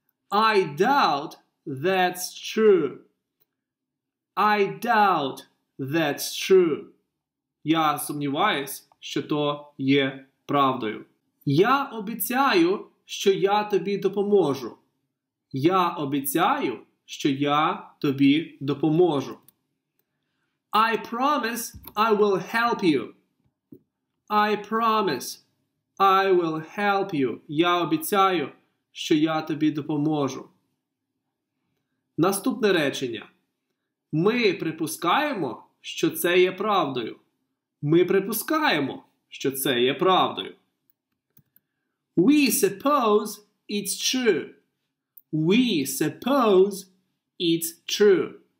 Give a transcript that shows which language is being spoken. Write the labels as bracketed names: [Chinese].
[English] I doubt that's true. I doubt that's true. [Ukrainian] Я сумніваюсь, що то є правдою. Я обіцяю, що я тобі допоможу. Я обіцяю, що я тобі допоможу. [English] I promise I will help you. I promise I will help you. [Ukrainian] Я обіцяю, що я тобі допоможу. Наступне речення. Ми припускаємо, що це є правдою. Ми припускаємо, що це є правдою. [English] We suppose it's true. We suppose it's true.